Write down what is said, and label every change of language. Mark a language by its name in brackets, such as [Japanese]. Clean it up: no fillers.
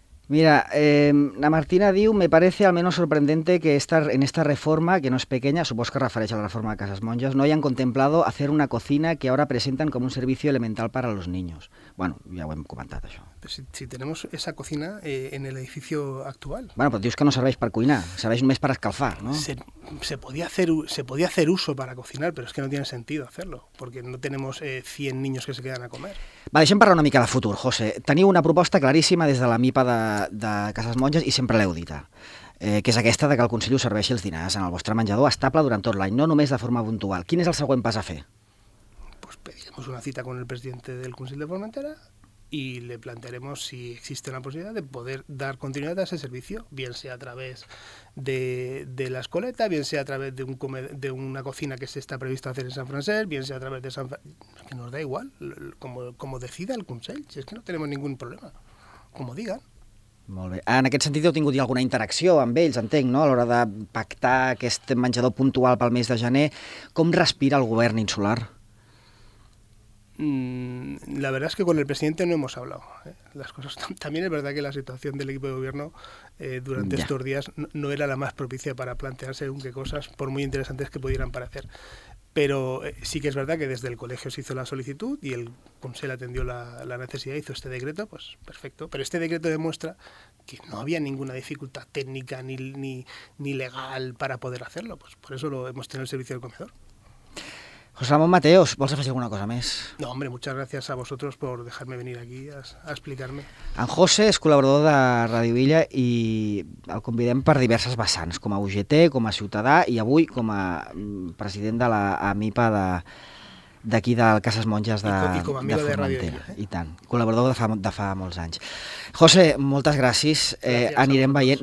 [Catalan] Mira, la Martina diu, [Spanish] me parece al menos sorprendente que en esta reforma, que no es pequeña, supongo que refereix a la reforma de Casas Monges, no hayan contemplado hacer una cocina que ahora presentan como un servicio elemental para los niños. [Catalan] Bueno, ya ho hem comentat, això. [Spanish] Si tenemos esa cocina en el edificio actual. [Catalan] Bueno, pero dius que no serveix per cuinar, serveix només per escalfar, ¿no? [Spanish] Se podía hacer uso para cocinar, pero es que no tiene sentido hacerlo, porque no tenemos 100 niños que se quedan a comer. [Catalan] Va, deixem parlar una mica de futur, José. Teniu una proposta claríssima des de la MIPA de Casas Monges i sempre l'heu dita, que és aquesta de que el Consell us serveixi els dinars en el vostre menjador estable durant tot l'any, no només de forma puntual. Quin és el següent pas a fer? [Spanish] Pues pediremos una cita con el presidente del Consell de Formentera y le plantearemos si existe la posibilidad de poder dar continuidad a ese servicio, bien sea a través de la Escoleta, bien sea a través de una cocina que se está previsto hacer en San Francisco, bien sea a través de San Francisco, que nos da igual, como decida el Consell, si es que no tenemos ningún problema, como digan. [Catalan] Molt bé. En aquest sentit heu tingut alguna interacció amb ells, entenc, no? A l'hora de pactar aquest menjador puntual pel mes de gener. Com respira el govern insular? [Spanish] La verdad es que con el presidente no hemos hablado. Las cosas también es verdad que la situación del equipo de gobierno durante ya. estos días no era la más propicia para plantearse según qué cosas, por muy interesantes que pudieran parecer. Pero sí que es verdad que desde el colegio se hizo la solicitud y el Consell atendió la necesidad, hizo este decreto, pues perfecto. Pero este decreto demuestra que no había ninguna dificultad técnica ni legal para poder hacerlo. Pues por eso lo hemos tenido el servicio del comedor. [Catalan] José Ramón Mateos, ¿vols afegir alguna cosa més? [Spanish] No, hombre, muchas gracias a vosotros por dejarme venir aquí a explicarme. [Catalan] En José és col·laborador de Ràdio Illa i el convidem per diverses vessants, com a UGT, com a ciutadà i avui com a president de la AMIPA d'aquí del Casas Monges de Formentera. I tant, col·laborador de fa molts anys. José, moltes gràcies. Anirem veient.